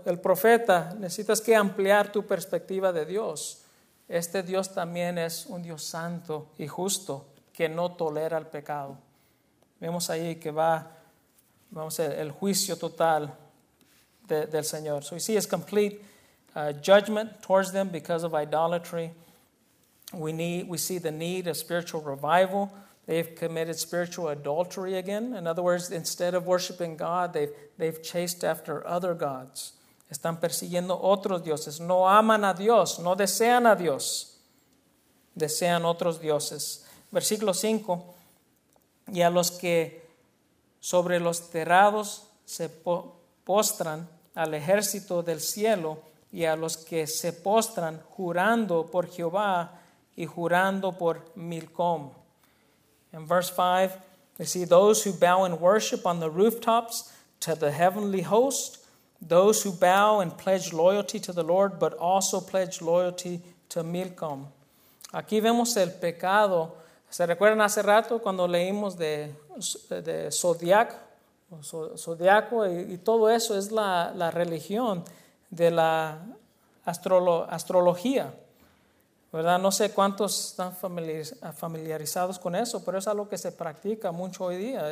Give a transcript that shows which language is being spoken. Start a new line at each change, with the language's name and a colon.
Spanish: El profeta, necesitas que ampliar tu perspectiva de Dios. Este Dios también es un Dios santo y justo que no tolera el pecado. Vemos ahí que va, vamos a ver, el juicio total del Señor.
English: So we see his complete judgment towards them because of idolatry. We see the need of spiritual revival. They've committed spiritual adultery again. In other words, instead of worshiping God, they've chased after other gods.
Spanish: Están persiguiendo otros dioses. No aman a Dios, no desean a Dios. Desean otros dioses. Versículo 5. Y a los que sobre los terrados se postran al ejército del cielo, y a los que se postran jurando por Jehová y jurando por Milcom.
English: In verse 5, you see those who bow in worship on the rooftops to the heavenly host, those who bow and pledge loyalty to the Lord, but also pledge loyalty to Milcom.
Spanish: Aquí vemos el pecado. ¿Se recuerdan hace rato cuando leímos de Zodiac? Zodiaco y todo eso es la religión de la astrología, ¿verdad? No sé cuántos están familiarizados con eso, pero es algo que se practica mucho hoy día.